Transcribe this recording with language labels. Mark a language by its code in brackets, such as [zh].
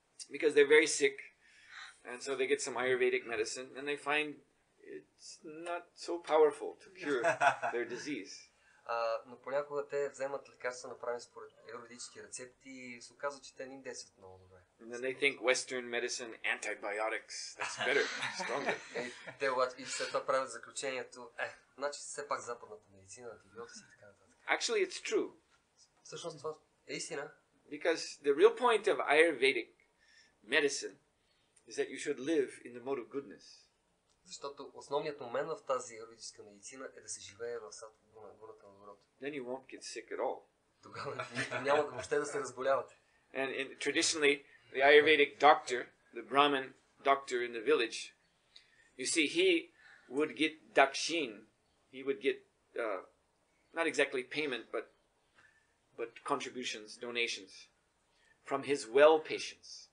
[en] Because they're very sick and so they get some Ayurvedic medicine and they find it's not so powerful to cure their disease. [bg] Но понякога те вземат лекарства направени според аюрведически рецепти и се оказва, че те не им действат много добре. [en] And then they think Western medicine, antibiotics, that's better, stronger. [bg] Те обаче и това правят заключението, значи все пак западната медицина, антибиотици и така нататък. [en] Actually, it's true. [bg] Всъщност това е истина. [en] Because the real point of Ayurvedic medicine is that you should live in the mode of goodness. [bg] Защото основният момент в тази аюрведическа медицина е да се живее в гуната на доброто. [en] Then you won't get sick at all. [bg] Тогава няма въобще да се разболявате. [en] And traditionally, the Ayurvedic doctor, the Brahmin doctor in the village, you see, he would get dakshin. He would get, not exactly payment, but contributions, donations, from his well patients.